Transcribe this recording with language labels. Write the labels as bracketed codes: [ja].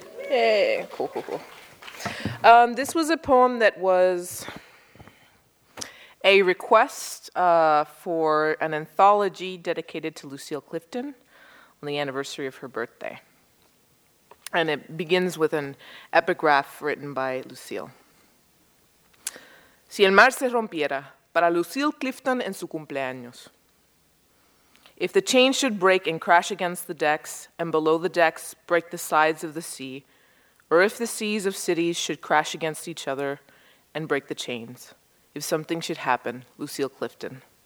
[en] Yay, cool, cool, cool. This was a poem that was a request for an anthology dedicated to Lucille Clifton on the anniversary of her birthday. And it begins with an epigraph written by Lucille. [es] Si el mar se rompiera para Lucille Clifton en su cumpleaños. [en] If the chain should break and crash against the decks, and below the decks break the sides of the sea, or if the seas of cities should crash against each other and break the chains, if something should happen, Lucille Clifton.